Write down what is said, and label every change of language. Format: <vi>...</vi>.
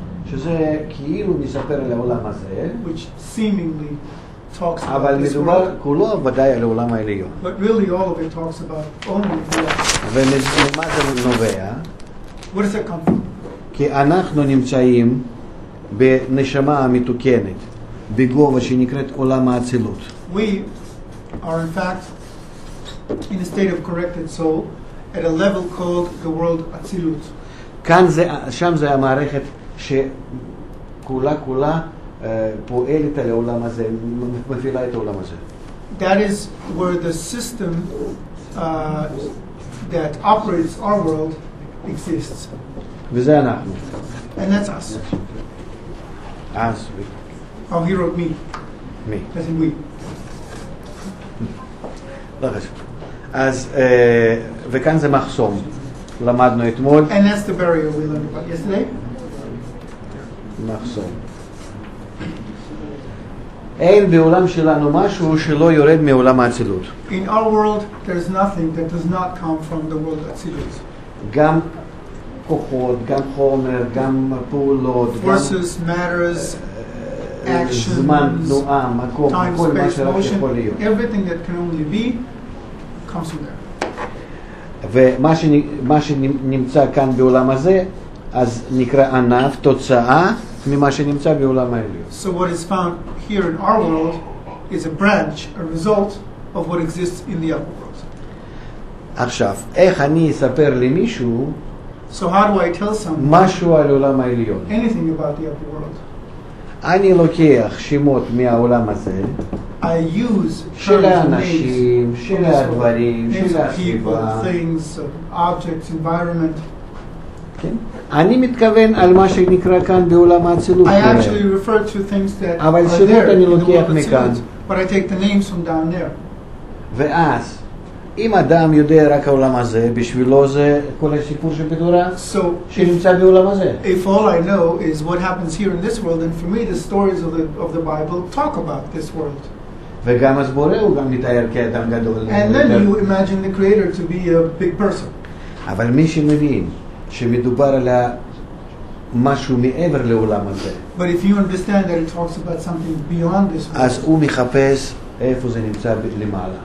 <he>שזה כאילו מספר על העולם הזה.</he> <en>Which seemingly...</en> <he>אבל מדובר כולו ודאי על העולם העליון.</he> <en>But really all of it talks about only the</en> <he>world. ומה זה נובע?</he> <en>Where does it come from?</en> <he>כי אנחנו נמצאים בנשמה המתוקנת, בגובה שנקראת עולם האצילות.</he> <en>We are in fact in a state of corrected soul at a level called the world Atzilut.</en> <he>כאן זה, שם זה המערכת שכולה כולה פועלת על העולם הזה, מפעילה את העולם הזה.</he> <en>That is where the system that operates our world exists.</en> <he>וזה אנחנו.</he> <en>And that's us. Us. Oh, he wrote me. Me. As in we.</en> <he>לא חשוב. אז, וכאן זה מחסום. למדנו אתמול.</he> <en>And that's the barrier we learned about yesterday.</en> <he>מחסום. אין בעולם שלנו משהו שלא יורד מעולם האצילות.</he> <en>In our world, there is nothing that does not come from the world of אצילות.</en> <he>גם כוחות, גם חומר, גם פעולות, גם...</he> <en>Forces, matters, actions,</en> <he>זמן, תנועה, מקום, כל מה שרק יכול להיות.</he> <en>Everything that can only be comes from there.</en> <he>ומה שנמצא כאן בעולם הזה, אז נקרא ענף, תוצאה ממה שנמצא בעולם העליון.</he> <en>So what is found here in our world is a branch, a result of what exists in the upper world.</en> <he>עכשיו, איך אני אספר למישהו,</he> <en>so how do I tell someone</en> <he>משהו על עולם העליון?</he> <en>Anything about the upper world.</en> <he>אני לוקח שמות מהעולם הזה,</he> <en>I use</en> <he>של האנשים, של הדברים, של הסביבה,</he> <en>things, objects, environment.</en> <he>אני מתכוון על מה שנקרא כאן בעולם האצילות.</he> <en>I actually refer to things that</en> <he>אבל שמות אני לוקח מכאן.</he> <en>But I take the names from down there.</en> <he>ואז, אם אדם יודע רק העולם הזה, בשבילו זה כל הסיפור שבתורה, שנמצא בעולם הזה.</he> <en>If all I know is what happens here in this world, then for me the stories of the Bible talk about this world.</en> <he>וגם אז בורא הוא גם מתאר כאדם גדול.</he> <en>And then you imagine the creator to be a big person.</en> <he>אבל מי שמבין שמדובר על משהו מעבר לעולם הזה.</he> <en>But if you understand that it talks about something beyond this world.</en> <he>אז הוא מחפש איפה זה נמצא למעלה.</he>